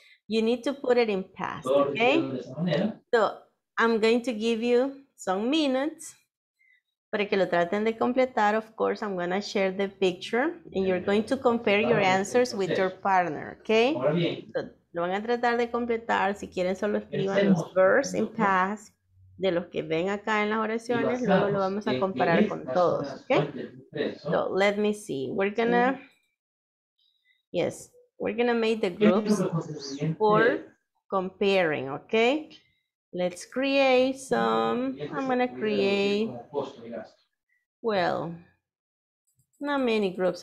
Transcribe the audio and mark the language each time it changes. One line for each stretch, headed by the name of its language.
English: You need to put it in past, okay? So I'm going to give you some minutes
Spanish: para que lo traten de completar.
English: Of course, I'm going to share the picture and you're going to compare your answers with your partner, okay?
Spanish: So lo van a tratar de completar. Si quieren, solo escriban los
English: verbs in past.
Spanish: De los que ven acá en las oraciones, luego lo vamos a comparar con todos, okay?
English: So, let me see. We're gonna make the groups for comparing, okay? Let's create some. I'm gonna create, well, not many groups.